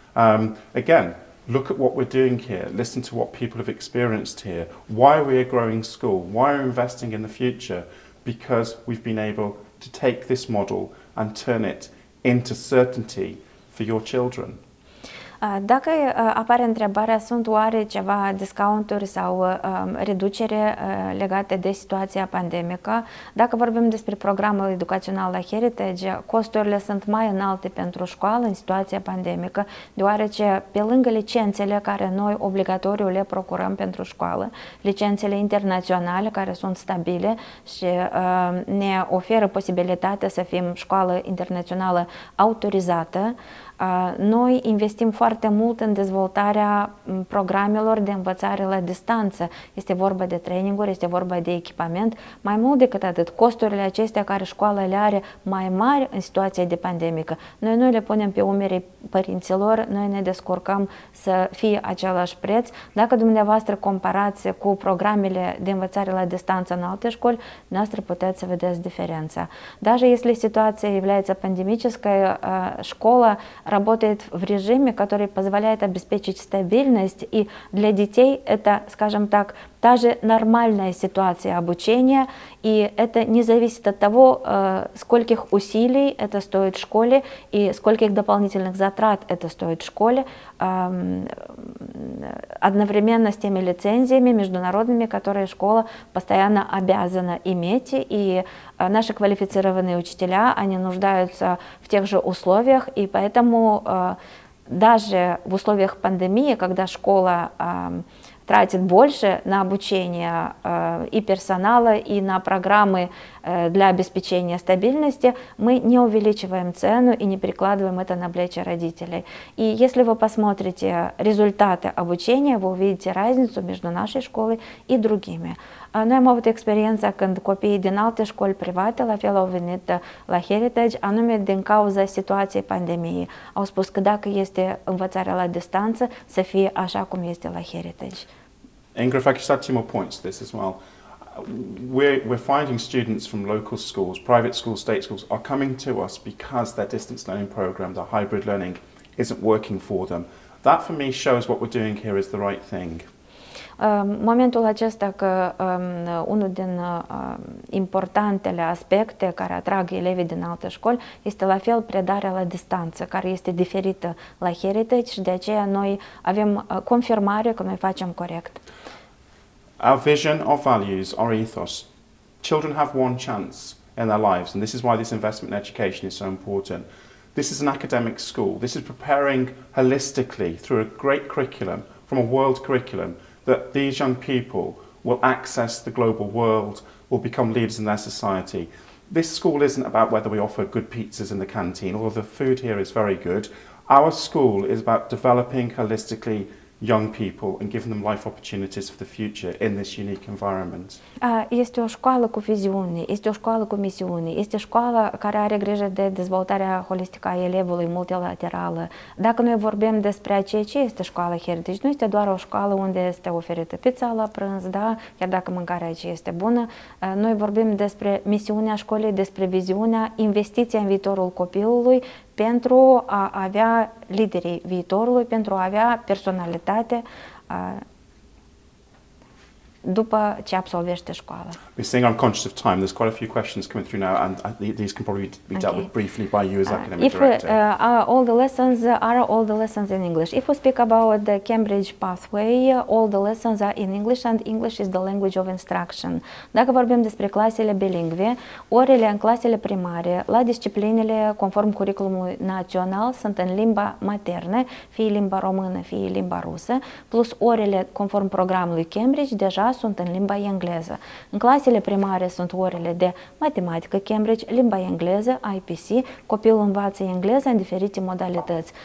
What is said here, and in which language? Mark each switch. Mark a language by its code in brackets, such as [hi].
[en] Again, look at what we're doing here. Listen to what people have experienced here. Why are we a growing school? Why are we investing in the future? Because we've been able to take this model and turn it into certainty for your children. [ro] Dacă apare întrebarea, sunt oare ceva discounturi sau reducere legate de situația pandemică? Dacă vorbim despre programul educațional la Heritage, costurile sunt mai înalte pentru școală în situația pandemică, deoarece pe lângă licențele care noi obligatoriu le procurăm pentru școală, licențele internaționale care sunt stabile și ne oferă posibilitatea să fim școală internațională autorizată, noi investim foarte mult în dezvoltarea programelor de învățare la distanță. Este vorba de traininguri, este vorba de echipament. Mai mult decât atât, costurile acestea care școala le are mai mari în situația de pandemică, noi nu le punem pe umerii părinților, noi ne descurcăm să fie același preț. Dacă dumneavoastră comparați cu programele de învățare la distanță în alte școli, dumneavoastră puteți să vedeți diferența. [ru] Даже если ситуация является пандемической, школа работает в режиме, который позволяет обеспечить стабильность, и для детей это, скажем так, та же нормальная ситуация обучения, и это не зависит от того, скольких усилий это стоит школе и скольких дополнительных затрат это стоит школе, одновременно с теми лицензиями международными, которые школа постоянно обязана иметь, и наши квалифицированные учителя, они нуждаются в тех же условиях, и поэтому даже в условиях пандемии, когда школа тратит больше на обучение и персонала, и на программы для обеспечения стабильности, мы не увеличиваем цену и не перекладываем это на плечи родителей. И если вы посмотрите результаты обучения, вы увидите разницу между нашей школой и другими. [ro] Noi am avut experiența când copiii din alte școli private la fel au venit la Heritage, anume din cauza situației pandemiei. Au spus că dacă este învățarea la distanță, să fie așa cum este la Heritage. [en] Ingrid, if I could add two more points to this as well. We're finding students from local schools, private schools, state schools, are coming to us because their distance learning program, their hybrid learning, isn't working for them. That for me shows what we're doing here is the right thing. [ro] Momentul acesta că unul din importantele aspecte care atrag elevii din alte școli este la fel predarea la distanță, care este diferită la Heritage și de aceea noi avem confirmare că noi facem corect. [en] Our vision, our values, our ethos. Children have one chance in their lives, and this is why this investment in education is so important. This is an academic school. This is preparing holistically through a great curriculum, from a world curriculum, that these young people will access the global world, will become leaders in their society. This school isn't about whether we offer good pizzas in the canteen, although the food here is very good. Our school is about developing holistically young people and giving them life opportunities for the future in this unique environment. [ro] Este o școală cu viziune, este o școală cu misiune, este o școală care are grijă de dezvoltarea holistică a elevului multilaterală. Dacă noi vorbim despre ceea ce este școala Heritage, nu este doar o școală unde este oferită pizza la prânz, da, chiar dacă mâncarea aici este bună. Noi vorbim despre misiunea școlii, despre viziunea, investiția în viitorul copilului, pentru a avea liderii viitorului, pentru a avea personalitate după ce absolvește școala. [en] We're seeing I'm conscious of time. There's quite a few questions coming through now, and these can probably be dealt with briefly by you as academic director. All the lessons in English. If we speak about the Cambridge pathway, all the lessons are in English, and English is the language of instruction. [ro] Dacă vorbim despre clasele bilingve, orele în clasele primare, la disciplinele conform curriculumului național, sunt în limba maternă, fie limba română, fie limba rusă, plus orele conform programului Cambridge, deja sunt în limba engleză. În clasele primare sunt orele de matematică Cambridge, limba engleză, IPC, copilul învață engleza în diferite modalități.